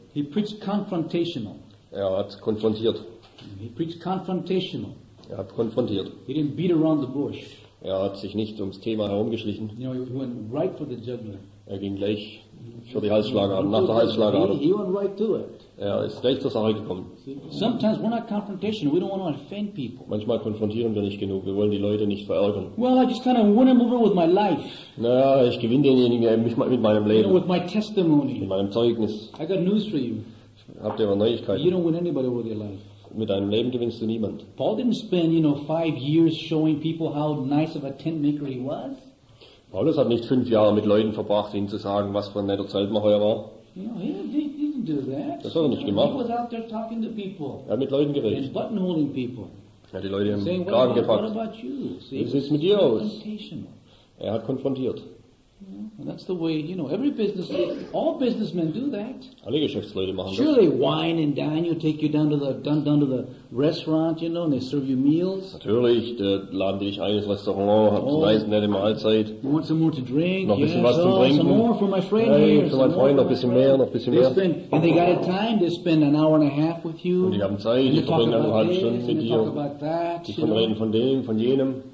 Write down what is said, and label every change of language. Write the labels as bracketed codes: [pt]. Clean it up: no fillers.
[en] He preached confrontational. [de] Er hat konfrontiert. [en] He preached confrontational. [de] Er hat konfrontiert. [en] He didn't beat around the bush. [de] Er hat sich nicht ums Thema herumgeschlichen. [en] You know, he went right for the jugular. [de] Er ging gleich für die Halsschlagader, nach der Halsschlagader. [en] He went right to it. [de] Er ist gleich zur Sache gekommen. [en] Sometimes we're not confrontational. We don't want to offend people. [de] Manchmal konfrontieren wir nicht genug. Wir wollen die Leute nicht verärgern. [en] Well, I just kind of win them over with my life. [de] Naja, ich gewinne denjenigen mit meinem Leben. [en] You know, with my testimony. [de] Mit meinem Zeugnis. [en] I got news for you. [de] Habt ihr aber Neuigkeiten? [en] You don't win anybody over your life. [de] Mit deinem Leben gewinnst du niemand. [en] Paul didn't spend, you know, 5 years showing people how nice of a tent maker he was. [de] Paulus hat nicht 5 Jahre mit Leuten verbracht, ihnen zu sagen, was für ein netter Zeltmacher er war. [en] He didn't do that. [de] Das hat er nicht gemacht. [en] He was out there talking to people. [de] Er hat mit Leuten geredet. [en] And buttonholing people. [de] Er hat die Leute im Kragen gepackt. [en] What about you? See, [de] was ist mit dir aus? Er hat konfrontiert. [en] Yeah, that's the way, you know, every business, all businessmen do that. [de] Alle Geschäftsleute machen das. [en] Surely wine and dine, you take you down to the restaurant, you know, and they serve you meals. [de] Natürlich, da laden die dich ein ins Restaurant, hat eine nice, nette Mahlzeit. [en] You want some more to drink? [de] Noch ein bisschen was zum Trinken. [en] Some more for my friend here. [de] Für meinen Freund, noch ein bisschen mehr. [en] They spend an hour and a half with you. [de] Und die haben Zeit, die verbringen eine halbe Stunde mit dir. [en] Talk about that, [de] die reden von dem, von jenem.